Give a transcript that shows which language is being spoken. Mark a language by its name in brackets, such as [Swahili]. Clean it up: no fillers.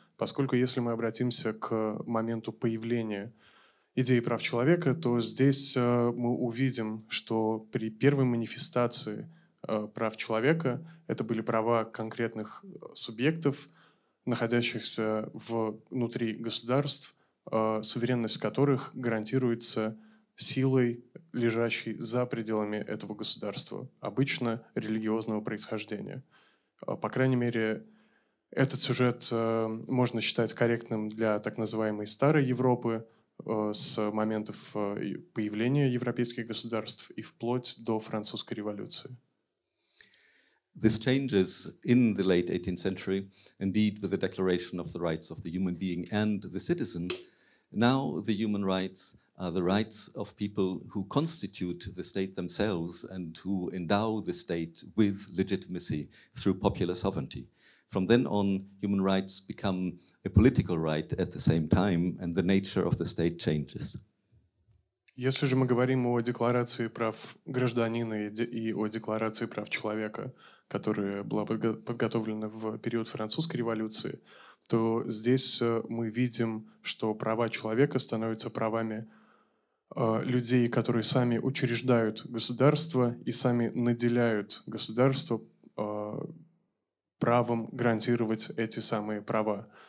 [Russian] Поскольку если мы обратимся к моменту появления идеи прав человека, то здесь мы увидим, что при первой манифестации прав человека это были права конкретных субъектов, находящихся внутри государств, суверенность которых гарантируется силой, лежащей за пределами этого государства, обычно религиозного происхождения. По крайней мере, Этот сюжет можно считать корректным для так называемой старой Европы с моментов появления европейских государств и вплоть до Французской революции. [English] These changes in the late 18th century, indeed with the Declaration of the Rights of the Human Being and the Citizen, now the human rights are the rights of people who constitute the state themselves and who endow the state with legitimacy through popular sovereignty. From then on, human rights become a political right at the same time, and the nature of the state changes. [Russian] Если же мы говорим о Декларации прав гражданина и о Декларации прав человека, которая была подготовлена в период Французской революции, то здесь мы видим, что права человека становятся правами людей, которые сами учреждают государство и сами наделяют государство правом гарантировать эти самые права.